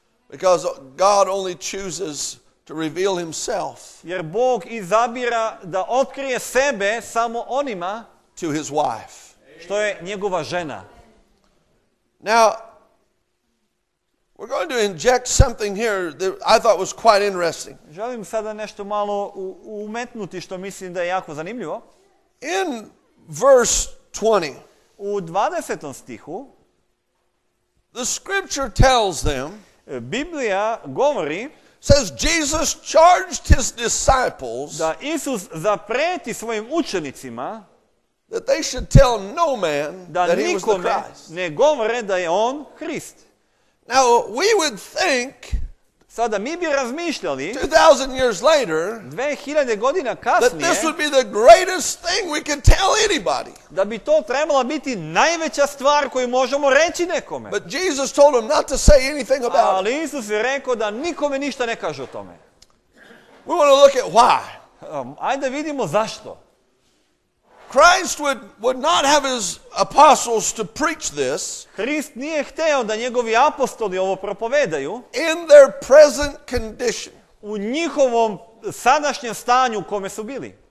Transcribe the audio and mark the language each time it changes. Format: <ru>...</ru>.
<en>because God only chooses to reveal himself,</en> <sr>jer Bog izabira da otkrije sebe samo onima,</sr> <en>to his wife,</en> <sr>što je njegova žena.</sr> <en>Now, we're going to inject something here that I thought was quite interesting.</en> <sr>Želim sada nešto malo umetnuti što mislim da je jako zanimljivo.</sr> <en>In verse 20,</en> <sr>u 20. stihu,</sr> <en>the scripture tells them,</en> <sr>Biblija govori,</sr> <en>says Jesus charged his disciples,</en> <sr>da Isus zapreti svojim učenicima,</sr> <en>that they should tell no man</en> <sr>da</sr> <en>that he was the Christ.</en> <sr>Ne govore da je on Krist.</sr> <en>Now we would think,</en> <sr>sada mi bi razmišljali,</sr> <en>2000 years later,</en> <sr>2000 godina kasnije,</sr> <en>that this would be the greatest thing we could tell anybody.</en> <sr>Da bi to trebala biti najveća stvar koju možemo reći nekome.</sr> <en>But Jesus told him not to say anything about</en> <sr>it. Ali Isus je rekao da nikome ništa ne kaže o tome.</sr> <en>We want to look at why.</en> <sr>Ajde vidimo zašto.</sr> <en>Christ would not have his apostles to preach this.</en> <sr>Krist nije hteo da njegovi apostoli ovo propovedaju.</sr> <en>In their present condition.</en> <sr>U njihovom sadašnjem stanju u kome su bili.</sr>